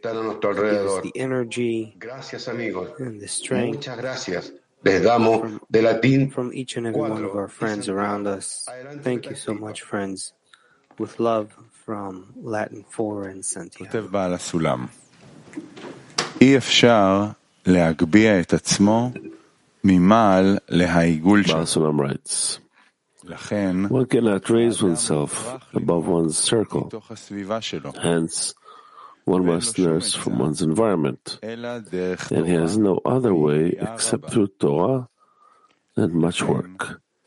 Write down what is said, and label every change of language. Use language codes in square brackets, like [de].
[en] us the energy and the strength. [es] Les damos de Latin [en] from each and every one of our friends around us. Thank you so much, friends. With love from Latin 4 and Santiago. [he] אי אפשר להגביה את עצמו ממעל להעיגול של סולם רייטס. לכן [en] one cannot raise oneself above one's circle. [he] מתוך הסביבה שלו. [en] Hence, one must nurse from one's environment. And he has no other way except through Torah and much work.